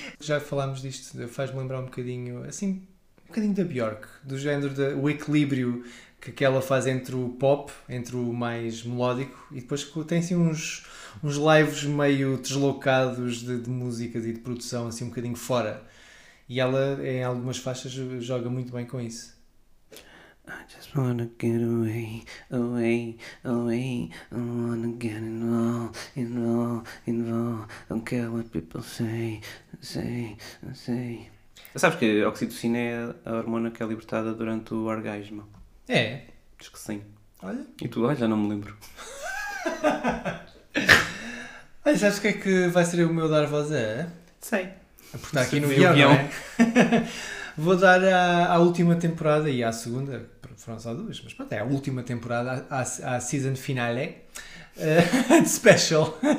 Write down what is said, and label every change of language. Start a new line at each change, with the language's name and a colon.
Portuguese: Já falámos disto, faz-me lembrar um bocadinho, assim, um bocadinho da Björk, do género, o equilíbrio que ela faz entre o pop, entre o mais melódico, e depois tem assim uns lives meio deslocados de músicas e de produção, assim, um bocadinho fora. E ela, em algumas faixas, joga muito bem com isso.
English: I just wanna get away, away, away. I wanna get involved, involved, involved. Don't care what people say, say, say.
Portuguese: Sabes que a oxitocina é a hormona que é libertada durante o orgasmo? É? Diz que sim. Olha. E tu, já não me lembro. Olha, sabes o que é que vai ser o meu dar voz a? Sei. Porque está aqui no guião, não é? Vou dar à última temporada e à segunda, foram só duas, mas pronto, é a última temporada, à season finale, de Special.